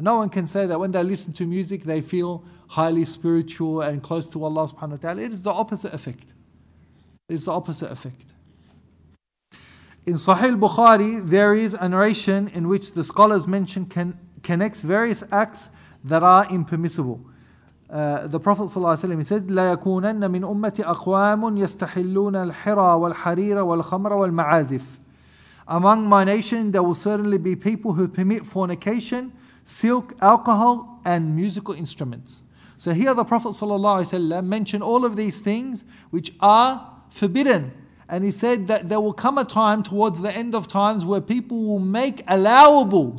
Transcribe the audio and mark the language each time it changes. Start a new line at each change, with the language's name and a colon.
English: No one can say that when they listen to music, they feel highly spiritual and close to Allah subhanahu wa ta'ala. It is the opposite effect. It's the opposite effect. In Sahih al-Bukhari, there is a narration in which the scholars mention connects various acts that are impermissible. The Prophet ﷺ said,
Arabic: لا يكونن من أمتي أقوام يستحلون الحرى والحريرة والخمر والمعازف.
English: Among my nation, there will certainly be people who permit fornication, silk, alcohol, and musical instruments. So here the Prophet ﷺ mentioned all of these things which are forbidden. And he said that there will come a time towards the end of times where people will make allowable.